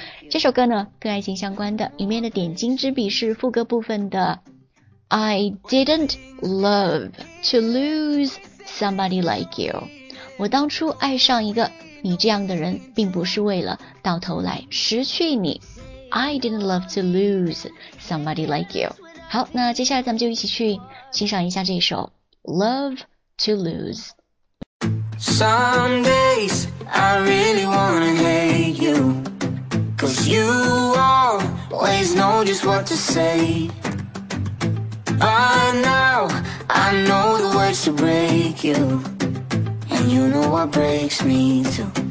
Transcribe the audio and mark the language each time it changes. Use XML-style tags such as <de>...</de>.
<zh>这首歌呢跟爱情相关的，里面的点睛之笔是副歌部分的</zh> <en>I didn't love to lose somebody like you。</en> <zh>我当初爱上一个你这样的人，并不是为了到头来失去你。</zh> <en>I didn't love to lose somebody like you。</en> <zh>好，那接下来咱们就一起去欣赏一下这首 Love to Lose。</zh> <en>Some days I really wanna hate you, cause you always know just what to say. But now I know the words to break you, and you know what breaks me too.</en>